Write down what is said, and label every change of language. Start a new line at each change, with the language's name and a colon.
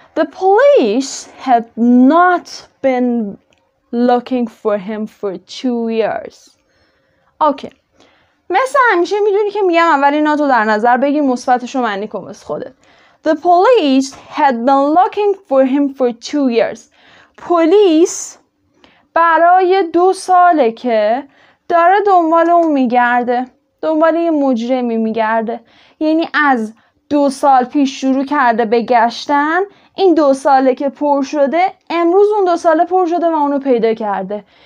English: The police had not been looking for him for 2 years. Okay.
Persian: مثل همیشه میدونی که میگم اولی not رو در نظر بگیر، مثبتش رو معنی کن واسه خودت.
English: The police had been looking for him for 2 years.
Persian: Police برای 2 ساله که داره دنبال اون میگرده، دنبال یه مجرمی میگرده. یعنی از 2 سال پیش شروع کرده به گشتن، این 2 ساله که پر شده، امروز اون 2 ساله پر شده و اونو پیدا کرده.